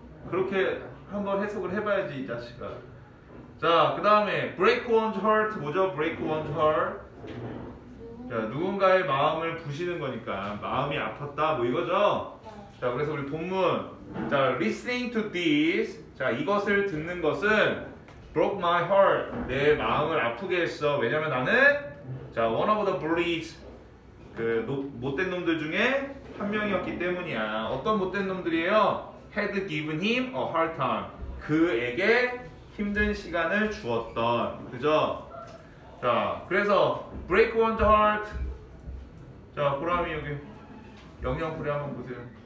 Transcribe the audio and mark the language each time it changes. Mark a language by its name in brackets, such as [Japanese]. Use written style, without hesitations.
[Korean] 그렇게 한번 해석을 해봐야지 이 자식아. 자, 그 다음에 [English] break one's heart [Korean] 뭐죠? [English] break one's heart. [Korean] 자, 누군가의 마음을 부시는 거니까 마음이 아팠다 뭐 이거죠? 자, 그래서 우리 본문. 자, [English] listening to this. [Korean] 자, 이것을 듣는 것은 [English] broke my heart. [Korean] 내 마음을 아프게 했어. 왜냐면 나는 자, [English] one of the bullies. [Korean] 그 못된 놈들 중에 한 명이었기 때문이야. 어떤 못된 놈들이에요? [English] had given him a hard time. [Korean] 그에게 힘든 시간을 주었던. 그죠? 자, 그래서 [English] break one's heart. [Korean] 자, 보람이 여기 영영풀이 한번 보세요.